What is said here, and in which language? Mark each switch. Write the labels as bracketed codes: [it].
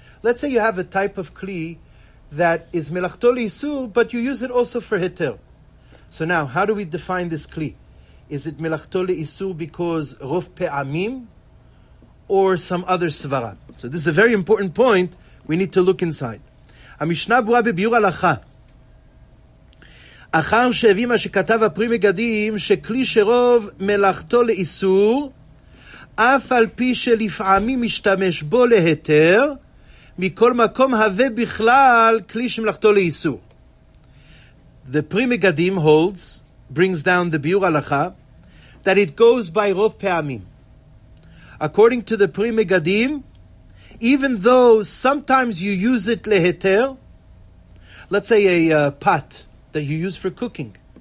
[en] Let's say you have a type of kli that is melachto li isur, but you use it also for heter. So now, how do we define this kli? Is it melachto li isur because rof pe'amim or some other svara? So this is a very important point we need to look inside. [he] המשנה ברורה בביור הלכה. אחר שהביא מה שכתב הפרי מגדים, שכלי שרוב מלאכתו לאיסור, אף על פי שלפעמים משתמש בו להיתר, מכל מקום הווה בכלל כלי שמלאכתו לאיסור. [en] The פרי מגדים holds, brings down the ביור הלכה, that it goes by רוב פעמים. According to the פרי מגדים, even though sometimes you use it leheter, let's say a pot that you use for cooking.